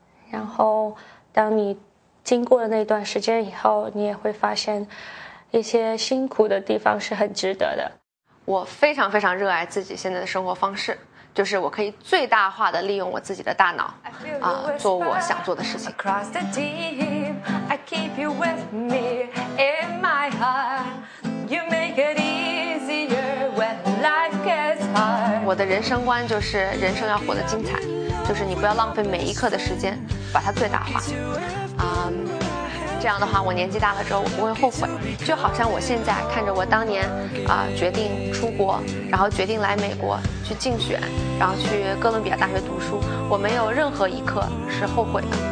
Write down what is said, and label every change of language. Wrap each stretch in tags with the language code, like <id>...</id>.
<zh>然后当你经过了那段时间以后，你也会发现一些辛苦的地方是很值得的。我非常非常热爱自己现在的生活方式，就是我可以最大化的利用我自己的大脑做我想做的事情。</zh> <en>Across the deep, I keep you with me in my heart. You make it easier when life gets hard.</en> <zh>我的人生观就是人生要活得精彩，就是你不要浪费每一刻的时间，把它最大化。这样的话我年纪大了之后我不会后悔，就好像我现在看着我当年决定出国，然后决定来美国去竞选，然后去哥伦比亚大学读书，我没有任何一刻是后悔的。</zh>